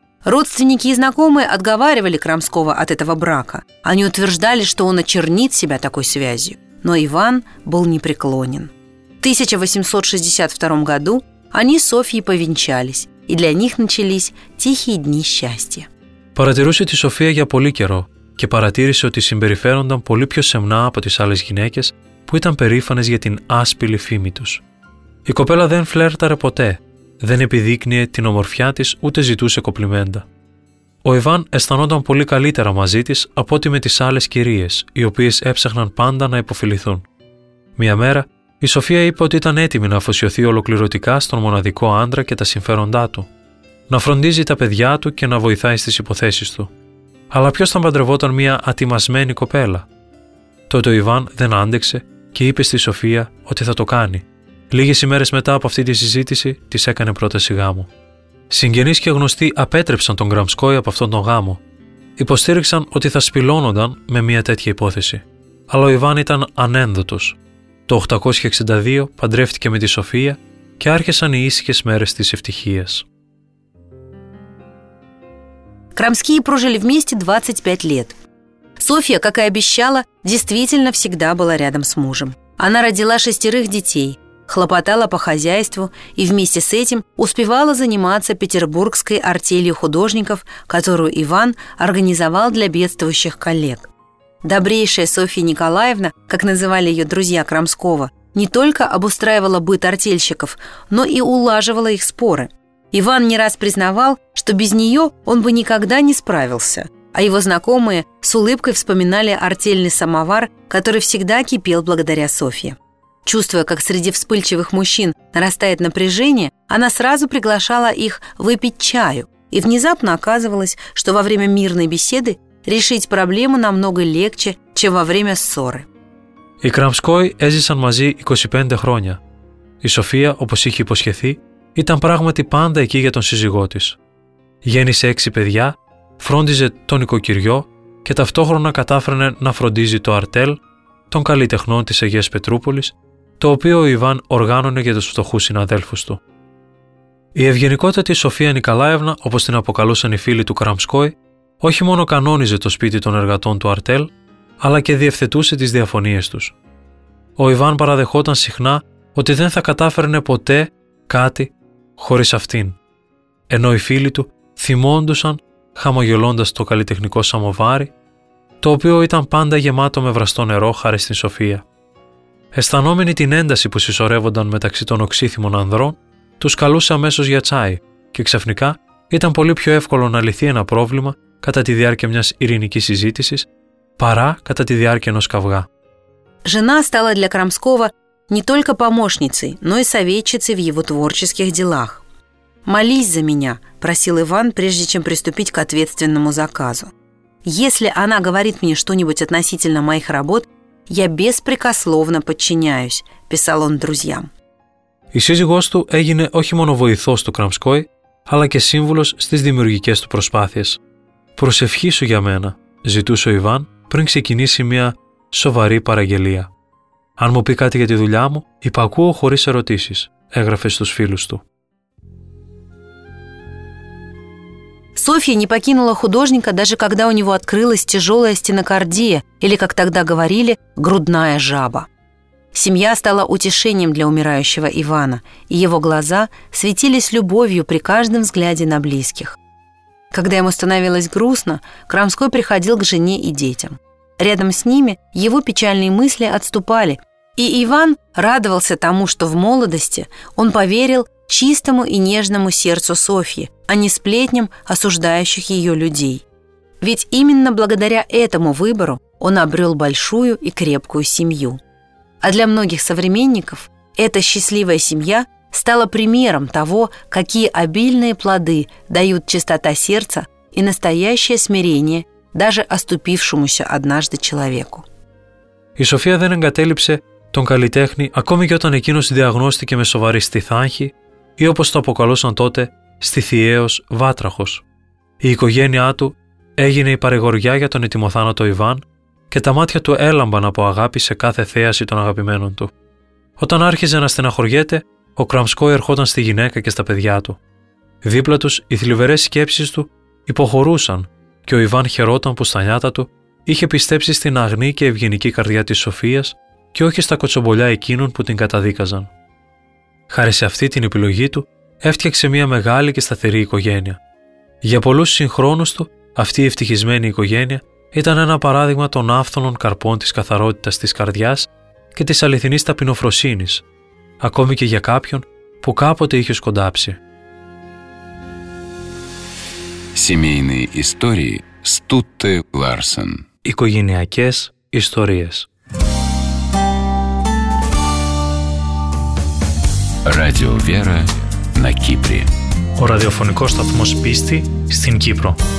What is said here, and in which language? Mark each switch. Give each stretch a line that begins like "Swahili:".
Russian: Родственники и знакомые отговаривали Крамского от этого брака. Они утверждали, что он очернит себя такой связью. Но Иван был непреклонен. В 1862 году они с Софьей повенчались, и для них начались тихие дни счастья.
Greek: Παρατηρούσε τη Σοφία για πολύ καιρό και παρατήρησε ότι συμπεριφέρονταν πολύ πιο σεμνά από τις άλλες γυναίκες που ήταν περήφανες για την άσπηλη φήμη τους. Η κοπέλα δεν φλέρταρε ποτέ, δεν επιδείκνυε την ομορφιά της ούτε ζητούσε κοπλιμέντα. Ο Ιβάν αισθανόταν πολύ καλύτερα μαζί της από ό,τι με τις άλλες κυρίες, οι οποίες έψαχναν πάντα να υποφιληθούν. Μια μέρα, η Σοφία είπε ότι ήταν έτοιμη να αφοσιωθεί ολοκληρωτικά στον μοναδικό άντρα και τα συμφέροντά του, να φροντίζει τα παιδιά του και να βοηθάει στις υποθέσεις του. Αλλά ποιος θα παντρευόταν μια ατιμασμένη κοπέλα? Τότε ο Ιβάν δεν άντεξε και είπε στη Σοφία ότι θα το κάνει. Λίγες ημέρες μετά από αυτή τη συζήτηση, της έκανε πρόταση γάμου. Συγγενείς και γνωστοί απέτρεψαν τον Крамской από αυτόν τον γάμο. Υποστήριξαν ότι θα σπηλώνονταν με μια τέτοια υπόθεση. Αλλά ο Ιβάν ήταν ανένδοτος. Το 862 παντρεύτηκε με τη Σοφία και άρχισαν οι ήσυχες μέρες της ευτυχίας.
Russian: Крамские прожили вместе 25 лет. Софья, как и обещала, действительно всегда была рядом с мужем. Она родила 6 детей, хлопотала по хозяйству и вместе с этим успевала заниматься петербургской артелью художников, которую Иван организовал для бедствующих коллег. Добрейшая Софья Николаевна, как называли ее друзья Крамского, не только обустраивала быт артельщиков, но и улаживала их споры. Иван не раз признавал, что без нее он бы никогда не справился, а его знакомые с улыбкой вспоминали артельный самовар, который всегда кипел благодаря Софье. Чувствуя, как среди вспыльчивых мужчин нарастает напряжение, она сразу приглашала их выпить чаю, и внезапно оказывалось, что во время мирной беседы решить проблему намного легче, чем во время ссоры.
Greek: Οι Крамской έζησαν мази 25 χρόνια. Η Σοφία, όπως είχε υποσχεθεί, ήταν πράγματι πάντα εκεί για τον σύζυγό της. Γέννησε 6 παιδιά, φρόντιζε το νοικοκυριό και ταυτόχρονα κατάφερνε να φροντίζει το αρτέλ των καλλιτεχνών της Αγίας Πετρούπολης, το οποίο ο Ιβάν οργάνωνε για τους φτωχούς συναδέλφους του. Η ευγενικότατη Σοφία Νικολάευνα, όπως την αποκαλούσαν οι φίλοι του Крамской, όχι μόνο κανόνιζε το σπίτι των εργατών του αρτέλ, αλλά και διευθετούσε τις διαφωνίες τους. Ο Ιβάν παραδεχόταν συχνά ότι δεν θα κατάφερνε ποτέ κάτι χωρίς αυτήν, ενώ οι φίλοι του θυμόντουσαν χαμογελώντας το καλλιτεχνικό σαμοβάρι, το οποίο ήταν πάντα γεμάτο με βραστό νερό χάρη στην Σοφία. Αισθανόμενοι την ένταση που συσσωρεύονταν μεταξύ των οξύθυμων ανδρών, τους καλούσε αμέσως για τσάι και ξαφνικά ήταν πολύ πιο εύκολο να λυθεί ένα πρόβλημα κατά τη διάρκεια μιας ειρηνικής συζήτησης, παρά κατά τη διάρκεια ενός καυγά.
Russian: Жена стала для Крамского не только помощницей, но и советчицей в его творческих делах. «Молись за меня», – просил Иван, прежде чем приступить к ответственному заказу. «Если она говорит мне что-нибудь относительно моих работ, я беспрекословно подчиняюсь», – писал он друзьям.
Greek: Η σύζυγός του έγινε όχι μόνο βοηθός του Крамской, αλλά και σύμβουλος στις δημιουργικές του προσπάθειες. «Προσευχήσου για μένα», ζητούσε ο Ιβάν πριν ξεκινήσει μια σοβαρή παραγγελία. «Αν μου πει κάτι για τη δουλειά μου, υπακούω χωρίς ερωτήσεις», έγραφε στους φίλους του.
Russian: Софья не покинула художника, даже когда у него открылась тяжелая стенокардия, или, как тогда говорили, грудная жаба. Семья стала утешением для умирающего Ивана, и его глаза светились любовью при каждом взгляде на близких. Когда ему становилось грустно, Крамской приходил к жене и детям. Рядом с ними его печальные мысли отступали, и Иван радовался тому, что в молодости он поверил чистому и нежному сердцу Софьи, а не сплетням осуждающих ее людей. Ведь именно благодаря этому выбору он обрел большую и крепкую семью. А для многих современников эта счастливая семья стала примером того, какие обильные плоды дают чистота сердца и настоящее смирение даже оступившемуся однажды человеку.
Greek: Η Σοφία δεν εγκατέλειψε τον καλλιτέχνη ακόμη και όταν εκείνος διαγνώστηκε με σοβαρή στιθάγχη ή όπως το αποκαλούσαν τότε στιθιαίος βάτραχος. Η οικογένειά του έγινε η παρηγοριά για τον ετοιμοθάνατο Ιβάν και τα μάτια του έλαμπαν από αγάπη σε κάθε θέαση των αγαπημένων του. Όταν άρχιζε να στεναχωριέται, ο Κραμσκόη ερχόταν στη γυναίκα και στα παιδιά του. Δίπλα τους οι θλιβερές σκέψεις του υποχωρούσαν και ο Ιβάν χαιρόταν που στα νιάτα του είχε πιστέψει στην αγνή και ευγενική καρδιά της Σοφίας και όχι στα κοτσομπολιά εκείνων που την καταδίκαζαν. Χάρη σε αυτή την επιλογή του έφτιαξε μια μεγάλη και σταθερή οικογένεια. Για πολλούς συγχρόνους του αυτή η ευτυχισμένη οικογένεια ήταν ένα παράδειγμα των άφθονων καρπών της καθαρότητας της καρδιάς και της αληθινής ταπεινοφροσύνης, ακόμη και για κάποιον που κάποτε είχε σκοντάψει.
Russian: Семейные истории Стутте Ларсен.
Greek: Οικογενειακές ιστορίες.
Russian: Радио Вера на Кипре.
Greek: Ο ραδιοφωνικός σταθμός πίστη στην Κύπρο.